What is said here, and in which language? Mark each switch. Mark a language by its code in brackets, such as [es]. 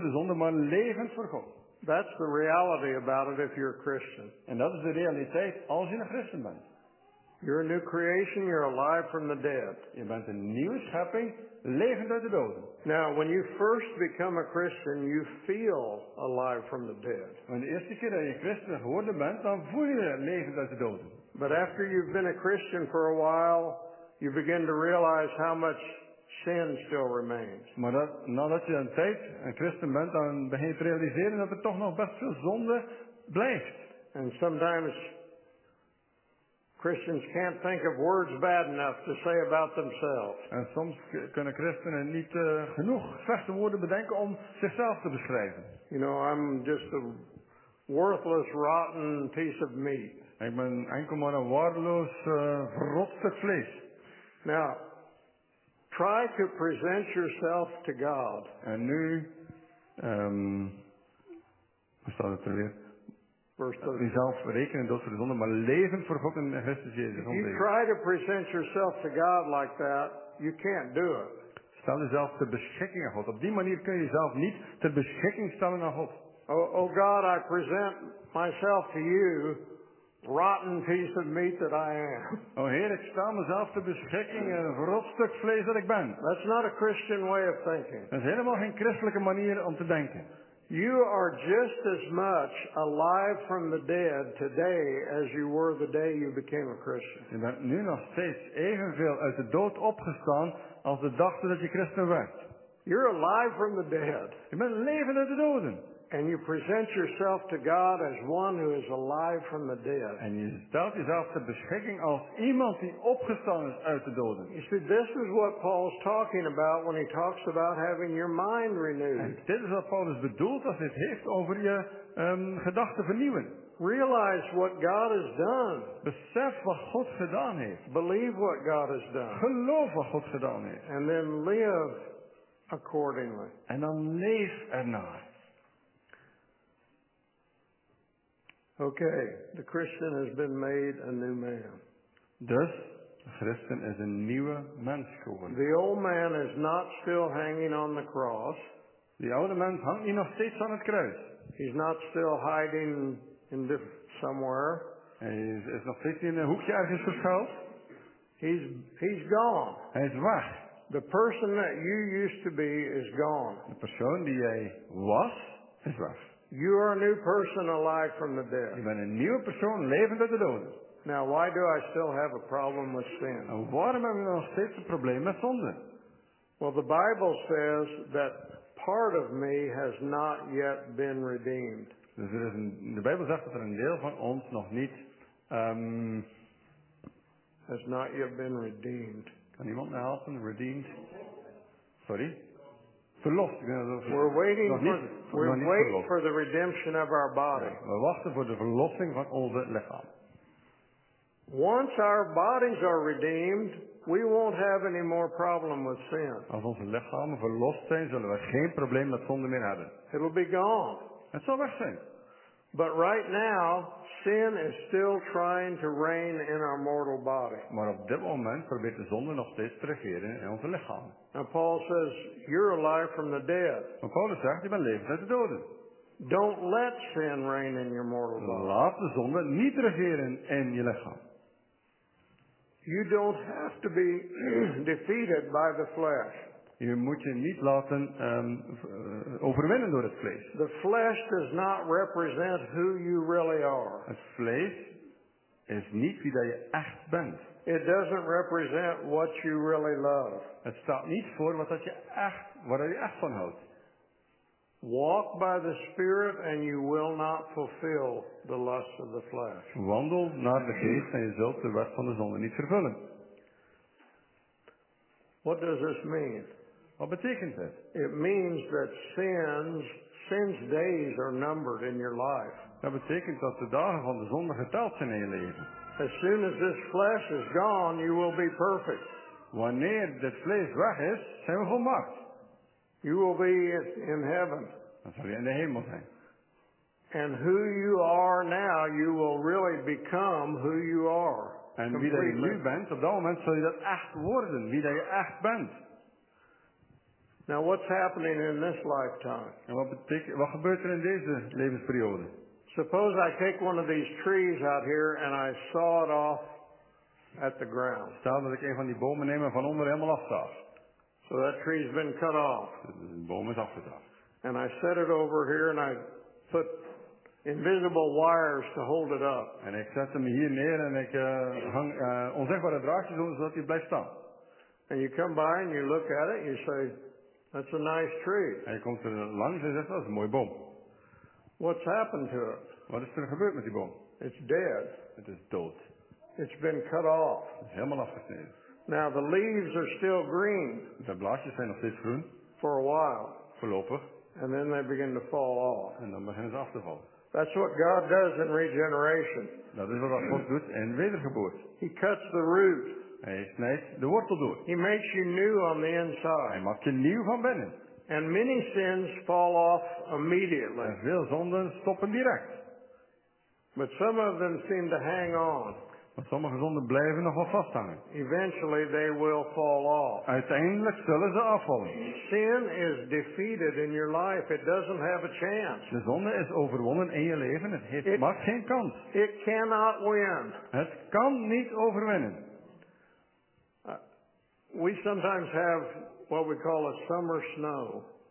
[en] That's the reality about it if you're a Christian. And that is the reality [nl] als je een Christen bent. [en] You're a new creation, you're alive from the dead. [nl] Je bent een nieuwe schepping, levend uit de doden. [en] Now, when you first become a Christian, you feel alive from the dead. [nl] Want de eerste keer dat je Christen geworden bent, dan voel je levend uit de doden. [en] But after you've been a Christian for a while, you begin to realize how much sin still remains. [nl] Maar dat, nadat je een tijd een Christen bent, dan begin je te realiseren dat er toch nog best veel zonde blijft. [en] And sometimes Christians can't think of words bad enough to say about themselves. [nl] En soms kunnen christenen niet genoeg slechte woorden bedenken om zichzelf te beschrijven. [en] You know, I'm just a worthless, rotten piece of meat. [nl] Ik ben enkel maar een waardeloos, verrot stuk vlees. [en] Now, try to present yourself to God. [nl] En nu, hoe staat het er weer? Jezelf rekenen dood voor de zonde, maar leven voor God in Christus Jezus. [en] If you try to present yourself to God like that, you can't do it. [nl] Stel jezelf ter beschikking aan God. Op die manier kun je jezelf niet ter beschikking stellen aan God. [en] Oh God, I present myself to you, rotten piece of meat that I am. [nl] Oh Heer, ik stel mezelf ter beschikking en een rot stuk vlees dat ik ben. [en] That's not a Christian way of thinking. [nl] Dat is helemaal geen christelijke manier om te denken. [en] You are just as much alive from the dead today as you were the day you became a Christian. [nl] Je bent nu nog steeds evenveel uit de dood opgestaan als de dag dat je Christen werd. [en] You're alive from the dead. [nl] Je bent levend uit de doden. [en] And you present yourself to God as one who is alive from the dead. [nl] En je stelt jezelf ter beschikking als iemand die opgestaan is uit de doden. [en] You see, this is what Paul's talking about when he talks about having your mind renewed. [nl] En dit is wat Paulus bedoelt als hij het heeft over je gedachten vernieuwen. [en] Realize what God has done. [nl] Besef wat God gedaan heeft. [en] Believe what God has done. [nl] Geloof wat God gedaan heeft. [en] And then live accordingly. [nl] En dan leef ernaar. [en] Okay, the Christian has been made a new man. [nl] Dus, de Christen is een nieuwe mens geworden. [en] The old man is not still hanging on the cross. [nl] De oude mens hangt niet nog steeds aan het kruis. [en] He's not still hiding in somewhere. [nl] Hij is nog steeds in een hoekje ergens verschuild. [en] He's gone. [nl] Hij is weg. [en] The person that you used to be is gone. [nl] De persoon die jij was, is weg. [en] You are a new person alive from the dead. [nl] Je bent een nieuwe persoon levend uit de doden. [en] Now, why do I still have a problem with sin? [nl] En waarom heb ik nog steeds een probleem met zonde? [en] Well, the Bible says that part of me has not yet been redeemed. [nl] Dus er is de Bijbel zegt dat er een deel van ons nog niet [en] has not yet been redeemed. [nl] Kan iemand me helpen? Redeemed? Sorry? Verlost. We wachten voor de verlossing van onze lichaam. [en] Once our bodies are redeemed, we won't have any more problem with sin. [nl] Als onze lichamen verlost zijn, zullen we geen probleem met zonde meer hebben. [en] It'll be gone. [nl] Het zal weg zijn. [en] But right now, sin is still trying to reign in our mortal body. [nl] Maar op dit moment probeert de zonde nog steeds te regeren in onze lichaam. [en] Now Paul says, you're alive from the dead. [nl] Maar Paulus zegt, je bent levend uit de doden. [en] Don't let sin reign in your mortal body. [nl] Laat de zonde niet regeren in je lichaam. [en] You don't have to be defeated by the flesh. [nl] Je moet je niet laten overwinnen door het vlees. [en] The flesh does not represent who you really are. [nl] Het vlees is niet wie dat je echt bent. [en] It doesn't represent what you really love. [nl] Het staat niet voor wat dat je echt, waar je echt van houdt. [en] Walk by the Spirit and you will not fulfill the lust of the flesh. [nl] Wandel naar de geest en je zult de wet van de zonde niet vervullen. [en] What does this mean? [nl] Wat betekent dit? [en] It means that sin's days are numbered in your life. [nl] Dat betekent dat de dagen van de zonde geteld zijn in je leven. [en] As soon as this flesh is gone, you will be perfect. [nl] Wanneer dit vlees weg is, zijn we volmaakt. [en] You will be in heaven. [nl] Dan zal je in de hemel zijn. [en] And who you are now, you will really become who you are. [nl] En wie dat je nu bent, op dat moment zul je dat echt worden, wie dat je echt bent. [en] Now what's happening in this lifetime? [nl] En wat gebeurt er in deze levensperiode? [en] Suppose I take one of these trees out here and I saw it off at the ground. [nl] Stel dat ik een van die bomen neem en van onder helemaal afzaag. [en] So that tree's been cut off. [nl] De boom is afgezaagd. [en] And I set it over here and I put invisible wires to hold it up. [nl] En ik zet hem hier neer en ik hang onzichtbare draadjes om zodat hij blijft staan. [en] And you come by and you look at it and you say, that's a nice tree. [nl] En je komt er langs en zegt, dat is een mooie boom. [en] What's happened to it? [nl] Wat is er gebeurd met die boom? [en] It's dead. [nl] Het is dood. [en] It's been cut off. [nl] Het is helemaal afgesneden. [en] Now the leaves are still green. [nl] De blaadjes zijn nog steeds groen. [en] For a while. [nl] Voorlopig. [en] And then they begin to fall off. [nl] En dan beginnen ze af te vallen. [en] That's what God does in regeneration. [nl] Dat is wat God doet in wedergeboorte. [en] He cuts the root. [nl] Hij snijdt de wortel door. [en] He makes you new on the inside. [nl] Hij maakt je nieuw van binnen. [en] And many sins fall off immediately. [nl] En veel zonden stoppen direct. [en] But some of them seem to hang on. [nl] Sommige zonden blijven nog wel vasthangen. [en] Eventually they will fall off. [nl] Uiteindelijk zullen ze afvallen. [en] Sin is defeated in your life. It doesn't have a chance. [nl] De zonde is overwonnen in je leven. Het heeft maar geen kans. [en] It cannot win. [nl] Het kan niet overwinnen. [en] We sometimes have what we call a summer snow.